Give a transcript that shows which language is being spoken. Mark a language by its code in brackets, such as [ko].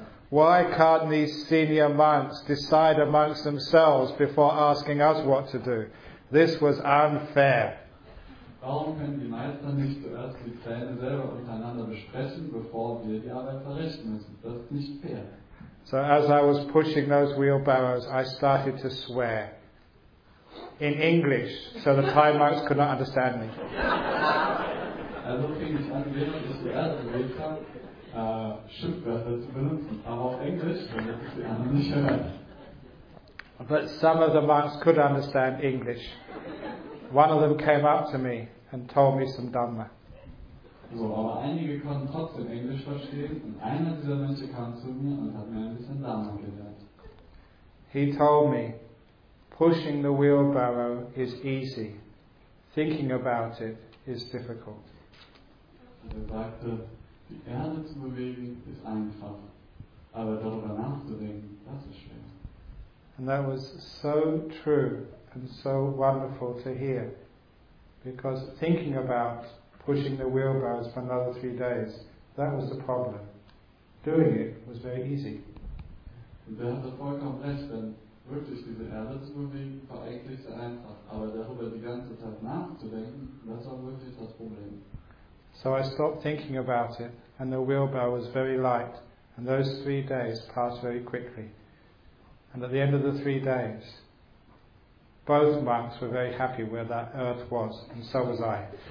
[en] Why can't these senior monks decide amongst themselves before asking us what to do? This was unfair. [de] Warum können die Meister nicht zuerst die Pläne selber untereinander besprechen, bevor wir die Arbeit verrichten müssen? Das ist nicht fair. [en] So as I was pushing those wheelbarrows, I started to swear in English, so the Thai monks could not understand me. [de] Also fing ich an, während ich die Erde bewegt habe, Schimpfwörter zu benutzen, aber auf Englisch, damit ich sie anderen nicht hören. [en] But some of the monks could understand English. One of them came up to me and told me some Dhamma. [de] So, aber einige konnten trotzdem Englisch verstehen und einer dieser Menschen kam zu mir und hat mir ein bisschen Dhamma gelernt. [en] He told me, pushing the wheelbarrow is easy. Thinking about it is difficult. [de] Und er sagte, die Erde zu bewegen ist einfach, aber darüber nachzudenken, das ist schwer. [en] And that was so true and so wonderful to hear, because thinking about pushing the wheelbarrows for another 3 days, that was the problem. Doing it was very easy. [de] Und er hatte vollkommen recht, denn wirklich diese Erde zu bewegen war eigentlich sehr einfach, aber darüber die ganze Zeit nachzudenken, das war wirklich das Problem. [en] So I stopped thinking about it, and the wheelbarrow was very light, and those 3 days passed very quickly. And at the end of the 3 days, both monks were very happy where that earth was, and so was I.